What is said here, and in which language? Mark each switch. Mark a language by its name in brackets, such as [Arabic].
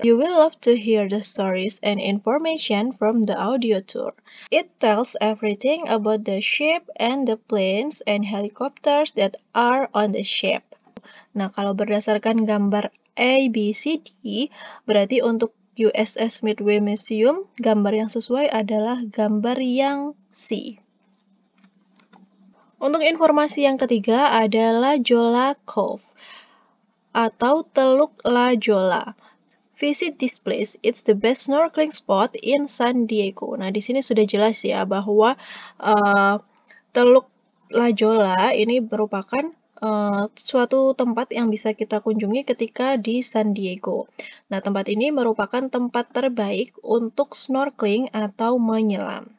[English] You will love to hear the stories and information from the audio tour. It tells everything about the ship and the planes and helicopters that are on the ship. [Indonesian] Nah, kalau berdasarkan gambar A, B, C, D, berarti untuk USS Midway Museum, gambar yang sesuai adalah gambar yang C. Untuk informasi yang ketiga adalah Jolla Cove atau Teluk La Jolla. [English] Visit this place, it's the best snorkeling spot in San Diego. [Indonesian] Nah, di sini sudah jelas ya bahwa Teluk La Jolla ini merupakan suatu tempat yang bisa kita kunjungi ketika di San Diego. Nah, tempat ini merupakan tempat terbaik untuk snorkeling atau menyelam.